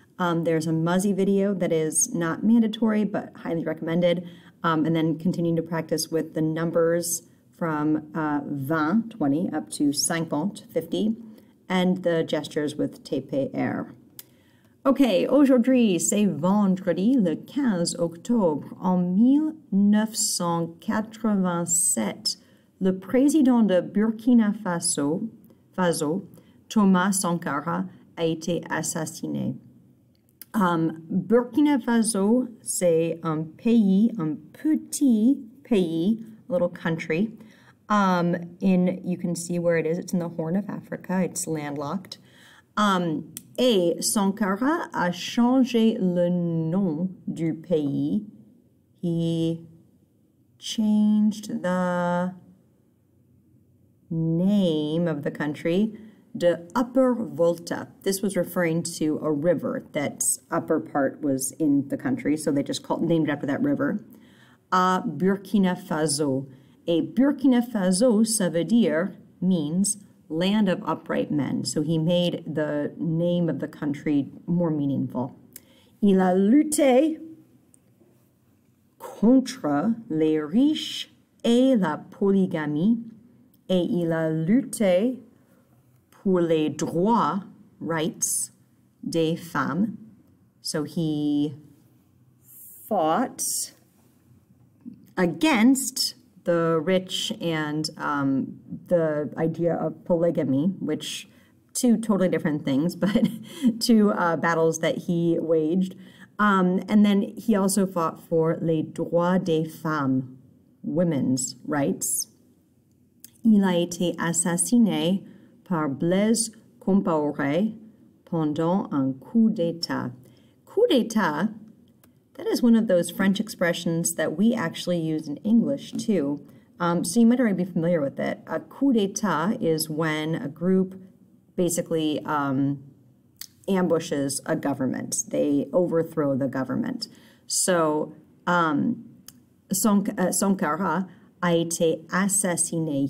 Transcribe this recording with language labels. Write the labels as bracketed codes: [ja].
[en] There's a Muzzy video that is not mandatory, but highly recommended. And then continuing to practice with the numbers from 20, 20 up to 50, 50, and the gestures with tape air. [fr] Okay, aujourd'hui, c'est vendredi le 15 octobre. En 1987, le président de Burkina Faso, Thomas Sankara, a été assassiné. Burkina Faso, c'est un pays, un petit pays, [en] a little country. You can see where it is. It's in the Horn of Africa. It's landlocked. [fr] Et Sankara a changé le nom du pays. [en] He changed the name of the country. [fr] De Upper Volta. [en] This was referring to a river that's upper part was in the country, so they just called named after that river. [fr] A Burkina Faso. A Burkina Faso, ça veut dire, [en] means land of upright men. So he made the name of the country more meaningful. [fr] Il a lutté contre les riches et la polygamie. Et il a lutté pour les droits, rights, des femmes. [en] So he fought against the rich and the idea of polygamy, which two totally different things, but two battles that he waged. And then he also fought for [fr] les droits des femmes, [en] women's rights. [fr] Il a été assassiné par Blaise Compaoré pendant un coup d'état. [en] Coup d'état, that is one of those French expressions that we actually use in English too. So you might already be familiar with it. A coup d'état is when a group basically ambushes a government. They overthrow the government. So Sankara [fr] a été assassiné.